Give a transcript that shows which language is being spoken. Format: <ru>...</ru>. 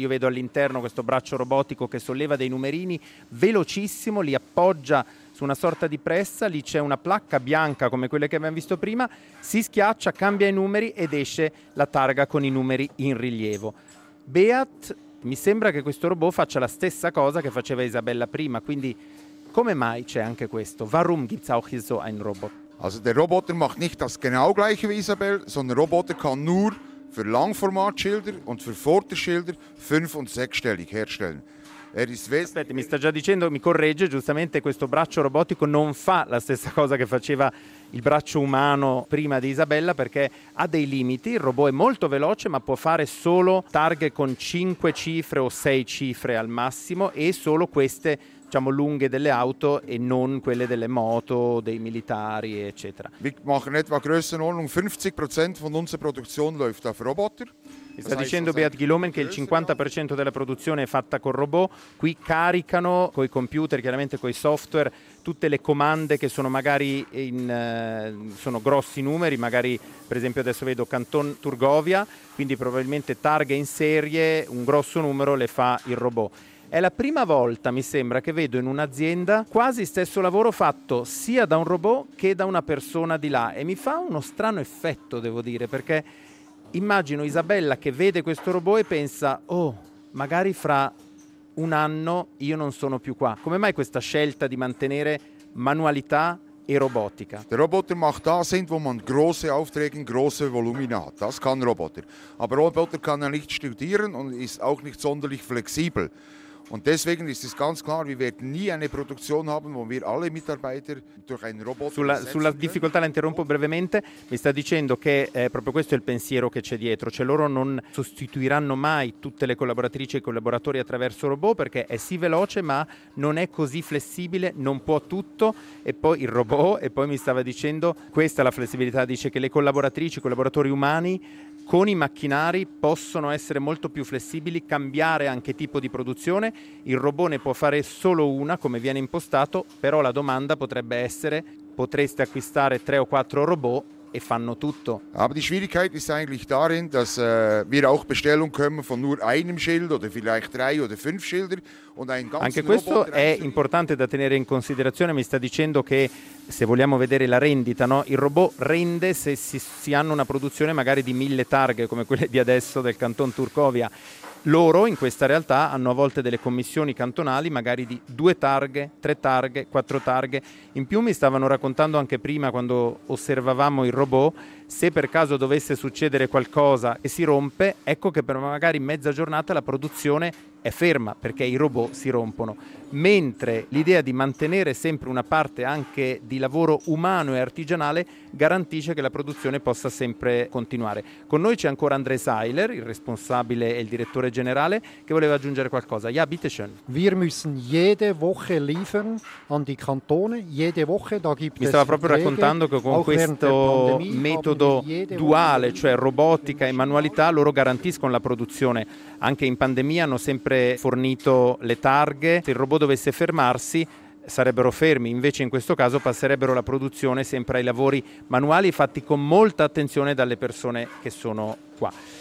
<it>Io vedo all'interno questo braccio robotico che solleva dei numerini velocissimo, li appoggia su una sorta di pressa, lì c'è una placca bianca come quelle che abbiamo visto prima, si schiaccia, cambia i numeri ed esce la targa con i numeri in rilievo. Beat, mi sembra che questo robot faccia la stessa cosa che faceva Isabella prima, quindi... Come mai c'è anche questo?</it> <de>Warum gibt's auch hier so einen Robot? Also der Roboter macht nicht das genau gleiche wie Isabel, sondern der Roboter kann nur für Langformatschilder und für Vorderschilder 5- und 6-stellig herstellen.</de> <it>Aspetta, mi sta già dicendo, mi corregge, giustamente questo braccio robotico non fa la stessa cosa che faceva il braccio umano prima di Isabella, perché ha dei limiti, il robot è molto veloce ma può fare solo targhe con 5 cifre o 6 cifre al massimo e solo queste, diciamo, lunghe delle auto e non quelle delle moto, dei militari, eccetera.</it> <de>Wir machen etwa Größenordnung 50% von unserer Produktion läuft auf Roboter.</de> <it>Mi sta dicendo Beat Ghilomen che il 50% della produzione è fatta con robot. Qui caricano con i computer, chiaramente con i software, tutte le comande che sono magari in sono grossi numeri, magari per esempio adesso vedo Canton Turgovia, quindi probabilmente targhe in serie, un grosso numero le fa il robot. È la prima volta, mi sembra, che vedo in un'azienda quasi stesso lavoro fatto sia da un robot che da una persona di là. E mi fa uno strano effetto, devo dire, perché immagino Isabella che vede questo robot e pensa: oh, magari fra un anno io non sono più qua. Come mai questa scelta di mantenere manualità e robotica?</it> <de>Der Roboter macht da sind, wo man große Aufträge, große Volumina hat. Das kann Roboter. Aber Roboter kann ja nicht studieren und ist auch nicht sonderlich flexibel. Und deswegen ist es ganz klar, wir werden nie eine Produktion haben, wo wir alle Mitarbeiter durch einen Roboter</de> <it>sulla difficoltà la interrompo brevemente, mi sta dicendo che proprio questo è il pensiero che c'è dietro, cioè loro non sostituiranno mai tutte le collaboratrici e i collaboratori attraverso robot, perché è sì veloce ma non è così flessibile, non può tutto, e poi il robot, e poi mi stava dicendo questa la flessibilità, dice che le collaboratrici, i collaboratori umani con i macchinari possono essere molto più flessibili, cambiare anche tipo di produzione. Il robot ne può fare solo una, come viene impostato, però la domanda potrebbe essere: potreste acquistare 3 o 4 robot e fanno tutto?</it> <de>Aber die Schwierigkeit ist eigentlich darin, dass wir auch Bestellung kommen von nur einem Schild oder vielleicht 3 oder 5 Schilder und ein ganzes.</de> <it>Anche questo è importante da tenere in considerazione. Mi sta dicendo che se vogliamo vedere la rendita, no? Il robot rende se si hanno una produzione magari di 1000 targhe come quelle di adesso del Canton Turcovia. Loro in questa realtà hanno a volte delle commissioni cantonali magari di 2 targhe, 3 targhe, 4 targhe. In più mi stavano raccontando anche prima, quando osservavamo il robot, se per caso dovesse succedere qualcosa e si rompe, ecco che per magari mezza giornata la produzione è ferma perché i robot si rompono. Mentre l'idea di mantenere sempre una parte anche di lavoro umano e artigianale garantisce che la produzione possa sempre continuare. Con noi c'è ancora André Seiler, il responsabile e il direttore generale, che voleva aggiungere qualcosa.</it> <de>Ja, bitte schön. Wir müssen jede Woche liefern an die Kantone, jede Woche, da gibt es.</de> <it>Mi stava proprio raccontando che con questo metodo duale, cioè robotica e manualità, loro garantiscono la produzione. Anche in pandemia hanno sempre fornito le targhe. Se il robot dovesse fermarsi, sarebbero fermi. Invece in questo caso passerebbero la produzione sempre ai lavori manuali fatti con molta attenzione dalle persone che sono qua.</it>